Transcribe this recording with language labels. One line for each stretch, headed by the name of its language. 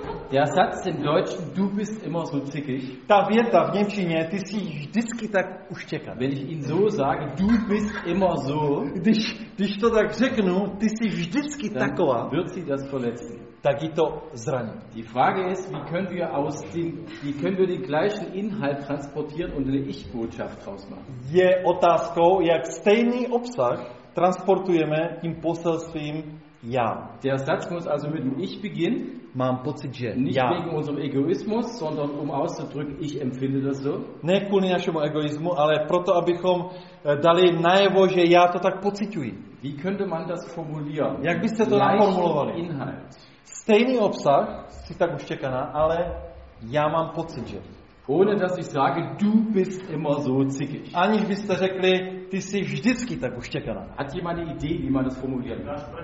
German: Der Satz im Deutschen, du bist immer so zickig.
Czech: Ta věta v němčině, ty jsi vždycky tak uštěkaný.
German: Wenn ich ihn so sage, du bist immer so.
Czech: Když to tak řeknu, ty jsi vždycky taková.
German: Wird sie das verletzen.
Czech: Tak jí to zraní.
German: Die Frage ist, wie können wir den gleichen Inhalt transportieren und eine Ich-Botschaft draus machen.
Czech: Je otázkou, jak stejný obsah transportujeme tím poselstvím já.
German: Der Satz muss also mit dem Ich beginnen.
Czech: Mám pocit, že
German: nicht ja. Wegen unserem Egoismus, sondern um auszudrücken, ich empfinde das so.
Czech: Ne kvůli našemu egoismu, ale proto, abychom dali najevo, že já to tak pociťuji.
German: Wie könnte man das formulieren?
Czech: Jak byste to naformulovali?
German: Inhalt.
Czech: Stejný obsah, jsi tak uštěkaná, ale já mám pocit, že.
German: Ohne dass ich sage, du bist immer so zickig.
Czech: Aniž byste řekli, ty jsi vždycky tak uštěkaná.
German: Hat jemand eine Idee, wie man das formulieren kann?